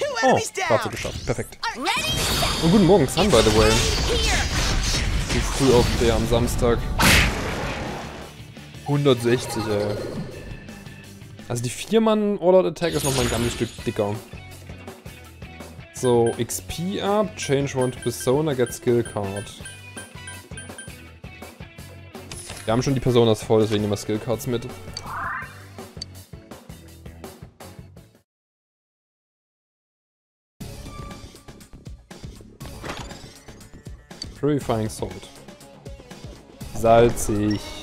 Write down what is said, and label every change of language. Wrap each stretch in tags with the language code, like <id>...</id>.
<de>Oh, hast du geschafft. Perfekt. Und guten Morgen, Sun,</de> <en>by the way.</en> <de>Zu früh auf der am Samstag. 160, ey. Also die 4-Mann-All-Out-Attack ist nochmal ein ganzes Stück dicker.</de> <en>So, XP up, change one to persona, get skill card.</en> <de>Wir haben schon die Personas voll, deswegen nehmen wir Skillcards mit. Purifying Salt. Salzig.</de>